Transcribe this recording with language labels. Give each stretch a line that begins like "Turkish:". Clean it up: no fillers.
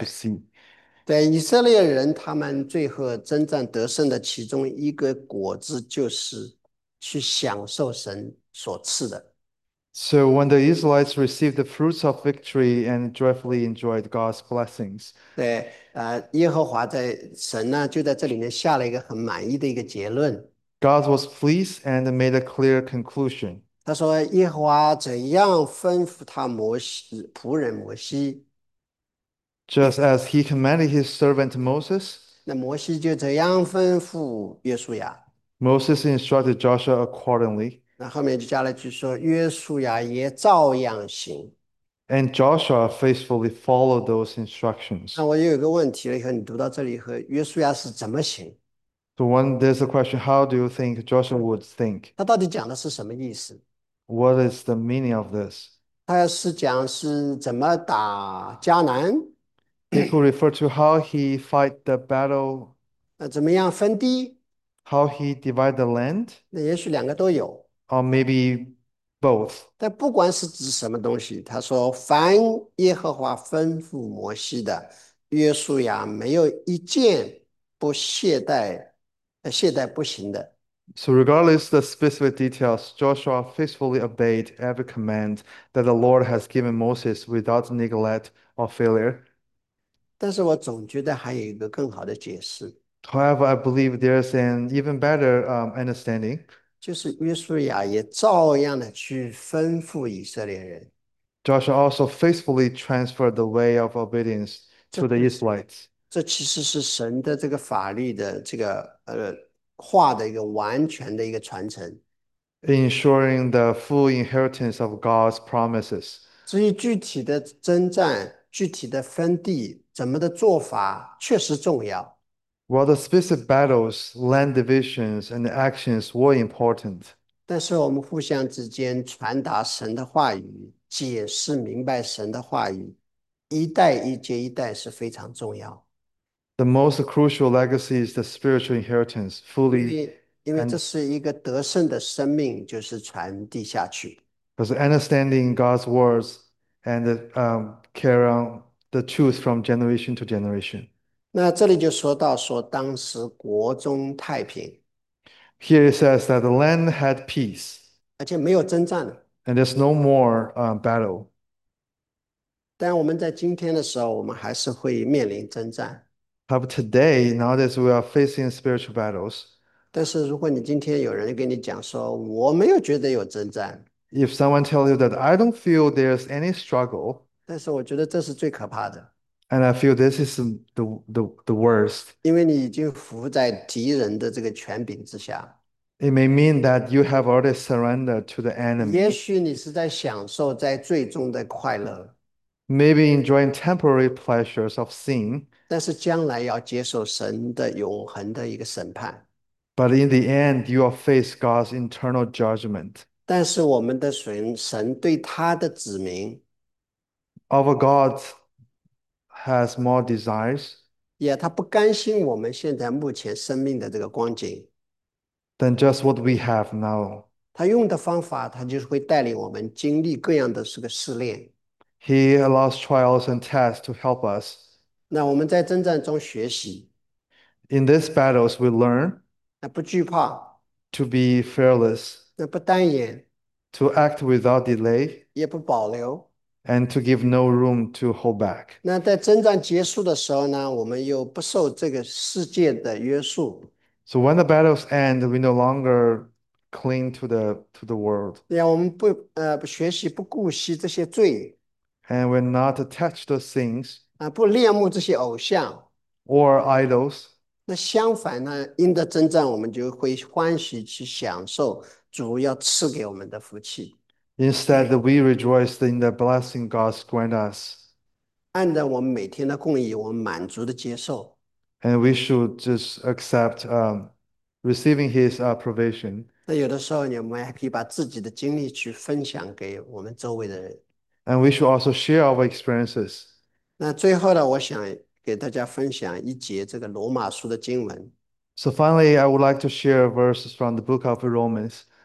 Chinese: 对。
English: see.
Chinese: 对，以色列人，他们最后征战得胜的其中一个果子就是。去享受神所赐的，
English: So when the Israelites received the fruits of victory and joyfully enjoyed God's blessings,
Chinese: 对，耶和华在神呢就在这里面下了一个很满意的一个结论。
English: God was pleased and made a clear conclusion.
Chinese: 他说，耶和华怎样吩咐他摩西仆人摩西，
English: Just as he commanded his servant Moses,
Chinese: 那摩西就怎样吩咐约书亚。
English: Moses instructed Joshua accordingly.
Chinese: 那后面就加了句说：“约书亚也照样行。
English: And Joshua faithfully followed those
Chinese: ”那
English: instructions.
Chinese: 我又有个问题了，以后你读到这里以后，约书亚是怎么行？
English: So one, there's a question, how do you think Joshua would think?
Chinese: 他到底讲的是什么意思？
English: What is the meaning of this?
Chinese: 他是讲是怎么打迦南？
English: He could refer to how he fight the battle,
Chinese: 怎么样分地？
English: how he divide the land,
Chinese: 那也许两个都有。
English: or maybe both.
Chinese: 但不管是指什么东西，他说：“凡耶和华吩咐摩西的约书亚，没有一件不懈怠、懈怠不行的。
English: So, regardless of the specific details, Joshua faithfully obeyed every command that the Lord has given Moses without neglect or failure.
Chinese: ”但是我总觉得还有一个更好的解释。
English: However, I believe there's an even better understanding.
Chinese: 就是约书亚也照样的去吩咐以色列人，
English: Joshua also faithfully transferred the way of obedience to the Israelites.
Chinese: 这其实是神的这个法律的这个话的一个完全的一个传承。
English: Ensuring the full inheritance of God's promises.
Chinese: 至于具体的征战、具体的分地、怎么的做法，确实重要。
English: While the specific battles, land divisions, and actions were important,
Chinese: 但是我们互相之间传达神的话语，解释明白神的话语，一代一接一代是非常重要。
English: the most crucial legacy is the spiritual inheritance, fully
Chinese: 因为这
English: and
Chinese: 是一个得胜的生命，就是传递下去。
English: Because understanding God's words and carry on the truth from generation to generation.
Chinese: 那这里就说到说当时国中太平。
English: Here it says that the land had peace,
Chinese: 而且没有征战了，
English: and there's no more battle.
Chinese: 但我们在今天的时候，我们还是会面临征战。
English: But today, nowadays, we are facing spiritual battles.
Chinese: 但是如果你今天有人跟你讲说，我没有觉得有征战，
English: If someone tells you that I don't feel there's any struggle,
Chinese: 但是我觉得这是最可怕的，
English: and I feel this is the worst,
Chinese: 因为你已经伏在敌人的这个权柄之下。
English: it may mean that you have already surrendered to the enemy.
Chinese: 也许你是在享受在最终的快乐，
English: Maybe enjoying temporary pleasures of sin.
Chinese: 但是将来要接受神的永恒的一个审判。
English: But in the end, you will face God's internal judgment.
Chinese: 但是我们的神对他的子民，
English: Our God has more desires
Chinese: 也他不甘心我们现在目前生命的这个光景。
English: than just what we have now.
Chinese: 他用的方法，他就是会带领我们经历各样的这个试炼。
English: He allows trials and tests to help us.
Chinese: 那我们在征战中学习，
English: In these battles, we learn
Chinese: 那不惧怕，
English: to be fearless,
Chinese: 那不单言，
English: to act without delay.
Chinese: 也不保留。
English: And to give no room to hold back.
Chinese: 那在征战结束的时候呢，我们又不受这个世界的约束。
English: So when the battles end, we no longer cling to the world.
Chinese: 对呀，我们不学习，不顾惜这些罪，
English: And we're not attached to things
Chinese: 不恋慕这些偶像。
English: or idols.
Chinese: 那相反呢，赢得征战，我们就会欢喜去享受主要赐给我们的福气。
English: Instead, we rejoice in the blessing God's grant us.
Chinese: 按照我们每天的供应，我们满足的接受。
English: And we should just accept receiving His provision.
Chinese: 那有的时候，你们还可以把自己的经历去分享给我们周围的人。
English: And we should also share our experiences.
Chinese: 那最后呢，我想给大家分享一节这个罗马书的经文。
English: So finally, I would like to share verses from the book of Romans.